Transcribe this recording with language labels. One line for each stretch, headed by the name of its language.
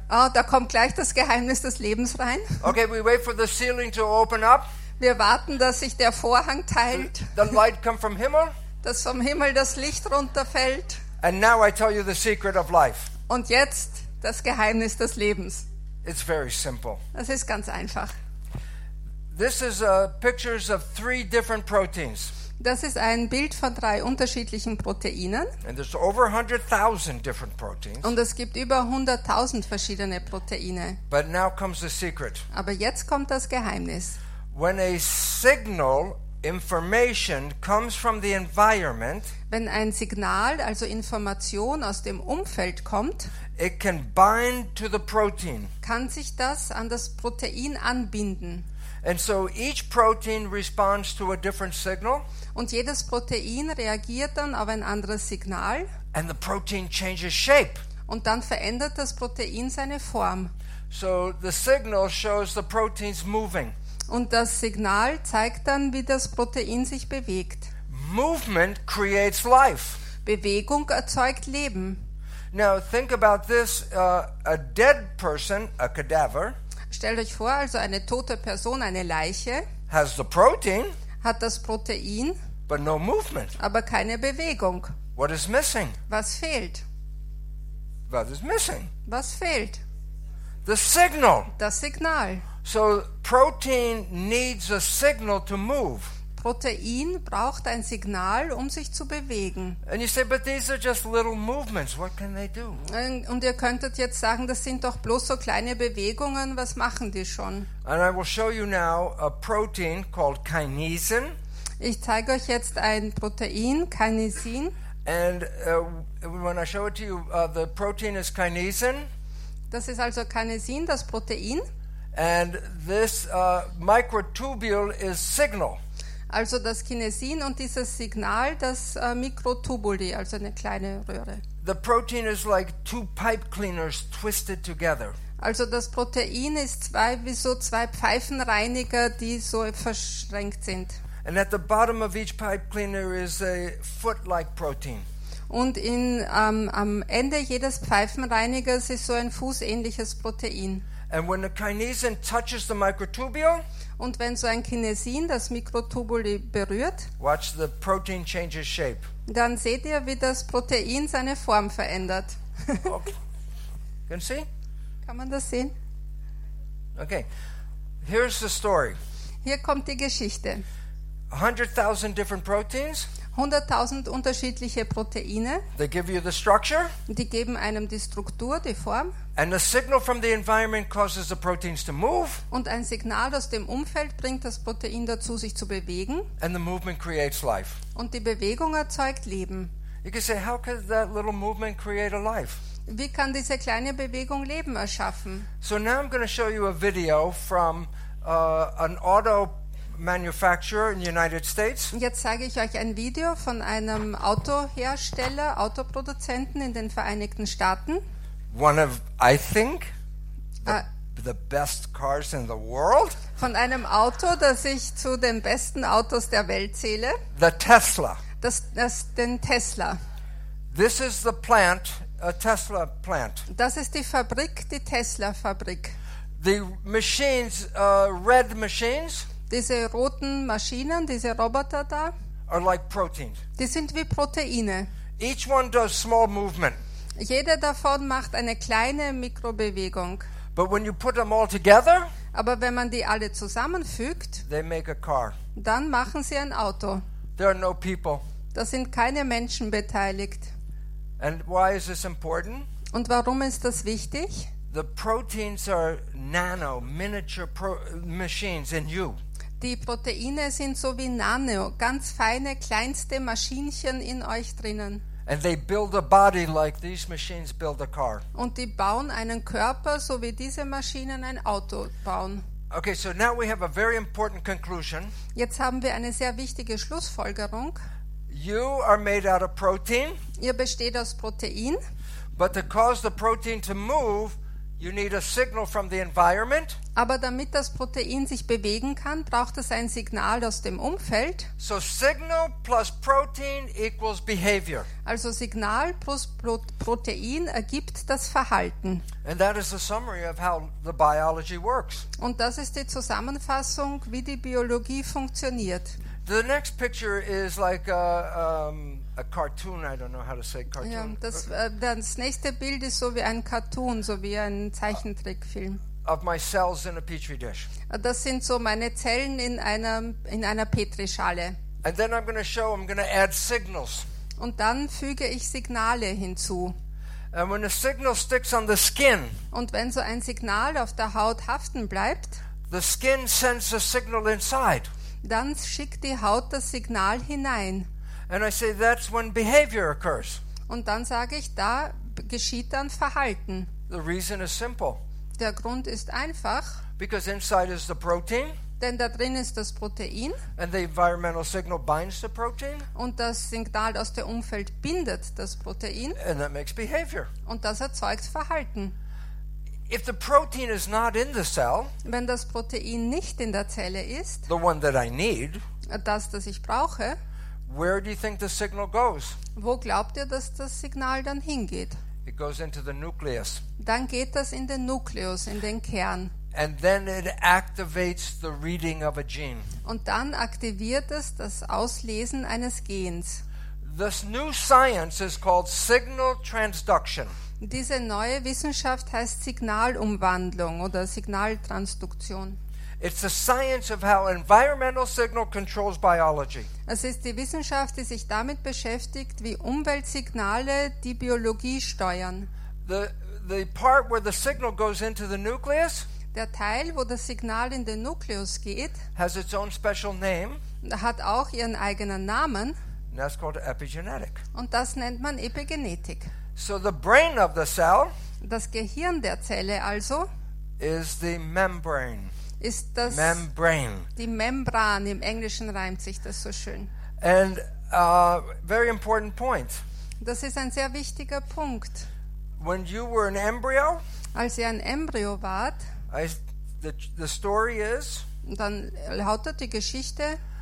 German: Ah, da kommt gleich das Geheimnis des Lebens rein.
English: Okay, we wait for the ceiling to open up.
German: Wir warten, dass sich der Vorhang teilt.
English: The light come from Himmel.
German: Dass vom Himmel das Licht runterfällt.
English: And now I tell you the secret of life.
German: Und jetzt das Geheimnis des Lebens.
English: It's very simple.
German: Das ist ganz einfach.
English: This is pictures of three different proteins.
German: Das ist ein Bild von drei unterschiedlichen Proteinen.
English: And there's over 100,000 different proteins.
German: Und es gibt über 100.000 verschiedene Proteine.
English: But now comes the secret.
German: Aber jetzt kommt das Geheimnis.
English: When a signal information comes from the environment,
German: wenn ein Signal, also Information aus dem Umfeld kommt,
English: it can bind to the protein.
German: Kann sich das an das Protein anbinden.
English: And so each protein responds to a different signal.
German: Und jedes Protein reagiert dann auf ein anderes Signal.
English: And the protein changes shape.
German: und dann verändert das Protein seine Form.
English: So the signal shows the protein's moving.
German: Und das Signal zeigt dann, wie das Protein sich bewegt.
English: Movement creates life.
German: Bewegung erzeugt Leben.
English: Now think about this, a dead person, a cadaver.
German: Stellt euch vor, also eine tote Person, eine Leiche,
English: has the protein,
German: hat das Protein,
English: but no movement.
German: Aber keine Bewegung.
English: What is missing?
German: Was fehlt?
English: What is missing?
German: Was fehlt?
English: The signal.
German: Das Signal.
English: So protein needs a signal to move.
German: Protein braucht ein Signal, um sich zu bewegen.
English: And you say, but these are just little movements. What can they do?
German: Und ihr könntet jetzt sagen, das sind doch bloß so kleine Bewegungen. Was machen die schon?
English: And I will show you now a protein called kinesin.
German: Ich zeige euch jetzt ein Protein, kinesin.
English: And when I show it to you, the protein is kinesin.
German: Das ist also kinesin, das Protein.
English: And this microtubule is signal.
German: Also das Kinesin und dieses Signal, das Mikrotubuli, also eine kleine Röhre.
English: The protein is like two pipe cleaners twisted together.
German: Also das Protein ist zwei, wie so zwei Pfeifenreiniger, die so verschränkt sind.
English: And at the bottom of each pipe cleaner is a foot-like protein.
German: Und in, am Ende jedes Pfeifenreinigers ist so ein fußähnliches Protein.
English: And when the kinesin touches the microtubule,
German: und wenn so ein Kinesin das Mikrotubuli berührt,
English: watch the protein changes shape.
German: Dann seht ihr, wie das Protein seine Form verändert.
English: Okay. Can you see?
German: Kann man das sehen?
English: Okay. Here's the story.
German: Hier kommt die Geschichte.
English: 100,000 different proteins.
German: 100,000 unterschiedliche Proteine.
English: They give you the structure.
German: Die geben einem die Struktur, die Form.
English: And the signal from the environment causes the proteins to move.
German: Und ein Signal aus dem Umfeld bringt das Protein dazu, sich zu bewegen.
English: And the movement creates life.
German: Und die Bewegung erzeugt Leben.
English: You can say, how can that little movement create a life?
German: Wie kann diese kleine Bewegung Leben erschaffen?
English: So now I'm going to show you a video from an auto manufacturer in the United States.
German: Jetzt zeige ich euch ein Video von einem Autohersteller, Autoproduzenten in den Vereinigten Staaten.
English: One of, I think, the best cars in the world.
German: Von einem Auto, das ich zu den besten Autos der Welt zähle.
English: The Tesla.
German: Den Tesla.
English: This is the plant, a Tesla plant.
German: Das ist die Fabrik, die Tesla Fabrik.
English: The machines, red machines.
German: Diese roten Maschinen, diese Roboter da,
English: are like proteins.
German: Die sind wie Proteine.
English: Each one does small movement.
German: Jeder davon macht eine kleine Mikrobewegung.
English: But when you put them all together,
German: aber wenn man die alle zusammenfügt,
English: they make a car.
German: Dann machen sie ein Auto.
English: There are no people.
German: Da sind keine Menschen beteiligt.
English: And why is this important?
German: Und warum ist das wichtig?
English: The proteins are nano, miniature machines in you.
German: Die Proteine sind so wie Nano, ganz feine, kleinste Maschinchen in euch drinnen.
English: And they build a body like these machines build a car.
German: Und die bauen einen Körper, so wie diese Maschinen ein Auto bauen.
English: Okay, so now we have a very important conclusion.
German: Jetzt haben wir eine sehr wichtige Schlussfolgerung.
English: You are made out of protein.
German: Ihr besteht aus Protein.
English: But to cause the protein to move, you need a signal from the environment.
German: Aber damit das Protein sich bewegen kann, braucht es ein Signal aus dem Umfeld.
English: So signal plus protein equals behavior.
German: Also Signal plus Protein ergibt das Verhalten.
English: And that is the summary of how the biology works.
German: Und das ist die Zusammenfassung, wie die Biologie funktioniert.
English: The next picture is like a cartoon, I don't know how to say cartoon.
German: Ja, das nächste Bild ist so wie ein Cartoon, so wie ein Zeichentrickfilm.
English: Of my cells in a petri dish.
German: Das sind so meine Zellen in einer Petrischale.
English: And then I'm going to show, I'm going to add signals.
German: Und dann füge ich Signale hinzu.
English: And when a signal sticks on the skin.
German: Und wenn so ein Signal auf der Haut haften bleibt.
English: The skin sends a signal inside.
German: Dann schickt die Haut das Signal hinein.
English: And I say, that's when behavior occurs.
German: Und dann sage ich, da geschieht dann Verhalten.
English: The reason is simple.
German: Der Grund ist einfach.
English: Because inside is the protein.
German: Denn da drin ist das Protein.
English: And the environmental signal binds the protein.
German: Und das Signal aus dem Umfeld bindet das Protein.
English: And that makes behavior.
German: Und das erzeugt Verhalten.
English: If the protein is not in the cell,
German: wenn das Protein nicht in der Zelle ist,
English: the one that I need,
German: das ich brauche,
English: where do you think the signal goes?
German: Wo glaubt ihr, dass das Signal dann hingeht?
English: It goes into the nucleus.
German: Dann geht das in den Nukleus, in den Kern.
English: And then it activates the reading of a gene.
German: Und dann aktiviert es das Auslesen eines Gens.
English: This new science is called signal transduction.
German: Diese neue Wissenschaft heißt Signalumwandlung oder Signaltransduktion.
English: It's the science of how environmental signal controls biology.
German: Es ist die Wissenschaft, die sich damit beschäftigt, wie Umweltsignale die Biologie steuern.
English: The part where the signal goes into the nucleus,
German: der Teil, wo das Signal in den Nukleus geht,
English: has its own special name,
German: hat auch ihren eigenen Namen.
English: And that's called epigenetic.
German: Und das nennt man Epigenetik.
English: So the brain of the cell,
German: das Gehirn der Zelle also,
English: is the membrane.
German: Ist das
English: membrane.
German: Die Membran, im Englischen reimt sich das so schön.
English: And very important point.
German: Das ist ein sehr wichtiger Punkt.
English: When you were an embryo,
German: als ihr ein Embryo wart,
English: the story is,
German: dann lautet die Geschichte,